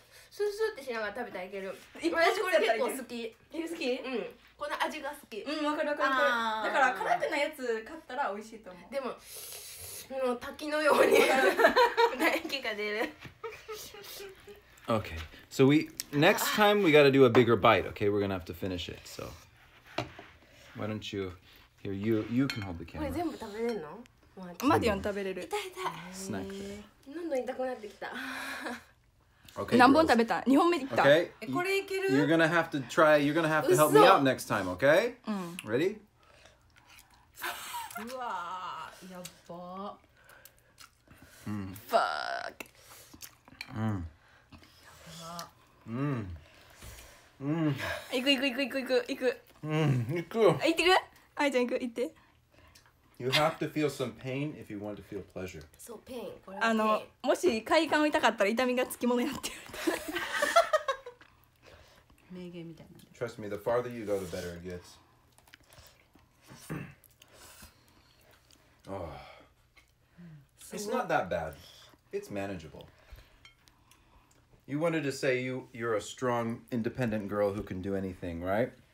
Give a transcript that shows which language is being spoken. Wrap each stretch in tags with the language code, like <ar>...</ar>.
<ja>スースーってしながら食べたらいける。私これ結構好き。好き？うん。この味が好き。うん、わかるわかる。だから辛くないやつ買ったら美味しいと思う。でも、もう滝のように唾液が出る。</ja> <en>Okay, so next time we got to do a bigger bite, okay? We're going to have to finish it, so. Why don't you, here, you can hold the camera.</en> <ja>これ全部食べれるの？マディアン食べれる。痛い。スナック。どんどん痛くなってきた。何本食べた？2本目いった。</ja> <en>Okay.</en> <ja>これいける？</ja> <en>You're going to have to try, you're going to have to help me out next time, okay?</en> <ja>うん。</ja> <en>Ready?</en> <ja>うわー、やっば。うん。ファーク。うん。やば。うん。うん。行く行く行く行く行く行く。うん、行く。行ってく。アイちゃん行く、行って。</ja> <en>You have to feel some pain if you want to feel pleasure.</en> <ja>そう、pain。あの、もし快感を痛かったら痛みがつきものになってる。名言みたいな。</ja> <en>Trust me, the farther you go, the better it gets. Oh. It's not that bad. It's manageable. You wanted to say you're a strong, independent girl who can do anything, right?</en>